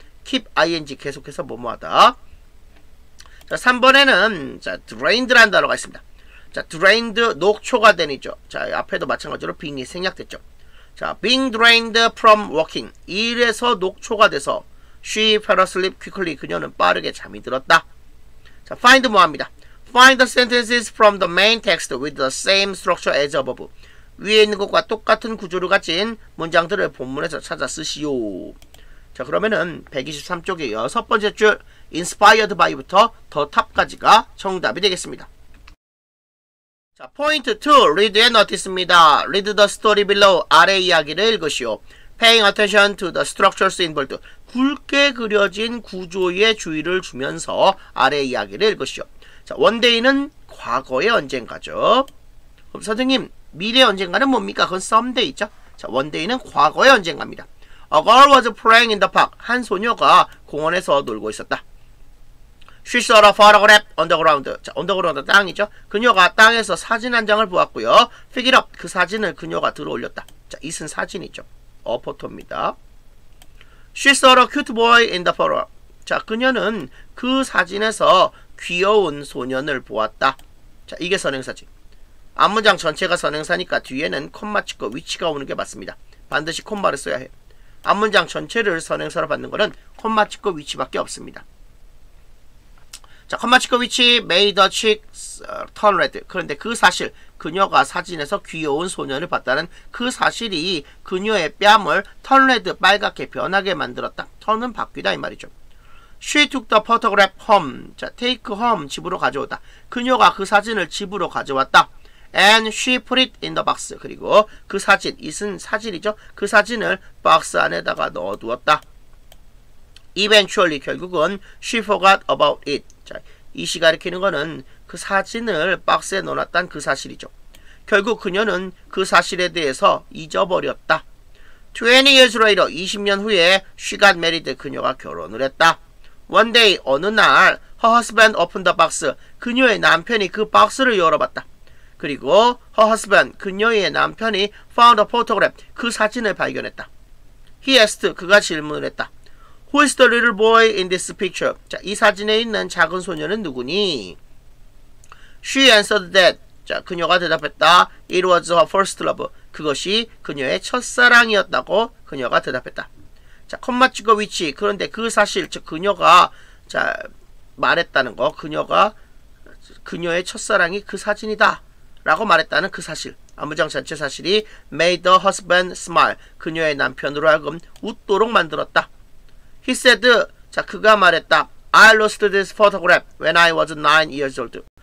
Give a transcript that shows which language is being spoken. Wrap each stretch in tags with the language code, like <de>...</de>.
<ko>keep ing 계속해서 뭐뭐하다. 자, 3번에는 자, drained라는 단어가 있습니다. 자, drained 녹초가 되니죠. 자, 앞에도 마찬가지로 being이 생략됐죠.</ko> <en>자, being drained from walking.</en> <ko>일에서 녹초가 돼서</ko> <en>she fell asleep quickly.</en> <ko>그녀는 빠르게 잠이 들었다. 자, find 뭐합니다?</ko> <en>Find the sentences from the main text with the same structure as above.</en> <ko>위에 있는 것과 똑같은 구조를 가진 문장들을 본문에서 찾아 쓰시오. 자, 그러면은 123쪽의 여섯 번째 줄 inspired by부터 the top까지가 정답이 되겠습니다.</ko> <en>자, point 2, read and notice입니다. Read the story below,</en> <ko>아래 이야기를 읽으시오.</ko> <en>Paying attention to the structures involved.</en> <ko>굵게 그려진 구조에 주의를 주면서 아래 이야기를 읽으시오. 자, one day는 과거의 언젠가죠. 그럼 선생님, 미래 언젠가는 뭡니까? 그건 someday죠. 자, one day는 과거의 언젠가입니다.</ko> <en>A girl was playing in the park.</en> <ko>한 소녀가 공원에서 놀고 있었다.</ko> <en>She saw a photograph on the ground. 자, on the ground 땅이죠.</en> <ko>그녀가 땅에서 사진 한 장을 보았고요.</ko> <en>Pick it up.</en> <ko>그 사진을 그녀가 들어 올렸다. 자, it은 사진이죠. 어포토입니다.</ko> <en>She saw a cute boy in the photo.</en> <ko>자, 그녀는 그 사진에서 귀여운 소년을 보았다. 자, 이게 선행사지. 앞문장 전체가 선행사니까 뒤에는 콤마 찍고 위치가 오는 게 맞습니다. 반드시 콤마를 써야 해. 앞문장 전체를 선행사로 받는 거는 콤마 찍고 위치밖에 없습니다. 자, 콤마 찍고 위치</ko> <en>made a chick turn red.</en> <ko>그런데 그 사실, 그녀가 사진에서 귀여운 소년을 봤다는 그 사실이 그녀의 뺨을 turn red, 빨갛게 변하게 만들었다. turn은 바뀌다 이 말이죠.</ko> <en>She took the photograph home.</en> <ko>자, take home, 집으로 가져오다. 그녀가 그 사진을 집으로 가져왔다.</ko> <en>And she put it in the box.</en> <ko>그리고 그 사진, it은 사진이죠. 그 사진을 박스 안에다가 넣어두었다.</ko> <en>Eventually, 결국은 she forgot about it.</en> <ko>자, 이시 가리키는 거는 그 사진을 박스에 넣어놨다는 그 사실이죠. 결국 그녀는 그 사실에 대해서 잊어버렸다.</ko> <en>20 years later, 20년 후에 she got married.</en> <ko>그녀가 결혼을 했다.</ko> <en>One day,</en> <ko>어느 날,</ko> <en>her husband opened the box.</en> <ko>그녀의 남편이 그 박스를 열어봤다.</ko> <en>그리고 her husband,</en> <ko>그녀의 남편이</ko> <en>found a photograph.</en> <ko>그 사진을 발견했다.</ko> <en>He asked,</en> <ko>그가 질문을 했다.</ko> <en>Who is the little boy in this picture?</en> <ko>자, 이 사진에 있는 작은 소녀는 누구니?</ko> <en>She answered that.</en> <ko>자, 그녀가 대답했다.</ko> <en>It was her first love.</en> <ko>그것이 그녀의 첫사랑이었다고 그녀가 대답했다. 자, 콤마 찍어 위치. 그런데 그 사실, 즉 그녀가 자 말했다는 거, 그녀가 그녀의 첫사랑이 그 사진이다 라고 말했다는 그 사실. 아무장 전체 사실이</ko> <en>made the husband smile.</en> <ko>그녀의 남편으로 하여금 웃도록 만들었다.</ko> <en>He said,</en> <ko>자, 그가 말했다.</ko> <en>I lost this photograph when I was 9 years old.</en>